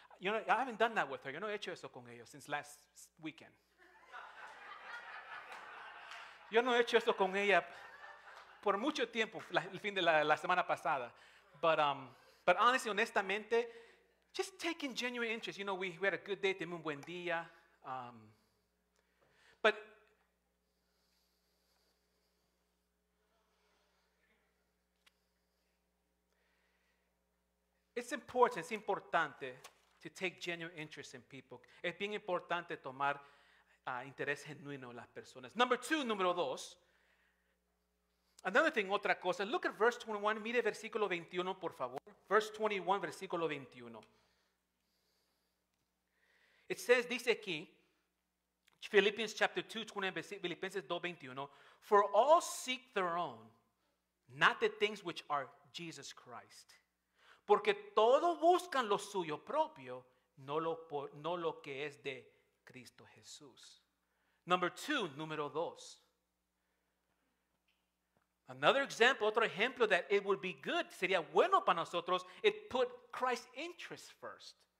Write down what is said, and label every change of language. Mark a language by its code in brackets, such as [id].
[en] You know, I haven't done that with her. [es] Yo no he hecho eso con ellos [en] since last weekend. [es] Yo no he hecho eso con ella por mucho tiempo, el fin de la semana pasada. [en] But honestly, honestamente, just taking genuine interest. You know, we had a good day, [es] tenemos un buen día. [en] But it's important, it's importante to take genuine interest in people. [es] Es bien importante tomar interés genuino en las personas. [en] Number two, [es] número dos. [en] Another thing, [es] otra cosa. [en] Look at verse 21. [es] Mire versículo 21, por favor. [en] Verse 21, [es] versículo 21. [en] It says, [es] dice aquí, [en] Philippians chapter 2, 21, [es] Filipenses 2, 21. [en] For all seek their own, not the things which are Jesus Christ. [es] Porque todos buscan lo suyo propio, no lo que es de Cristo Jesús. [en] Number two, [es] número dos. [en] Another example, [es] otro ejemplo [en] that it would be good, [es] sería bueno para nosotros, [en] it put Christ's interest first.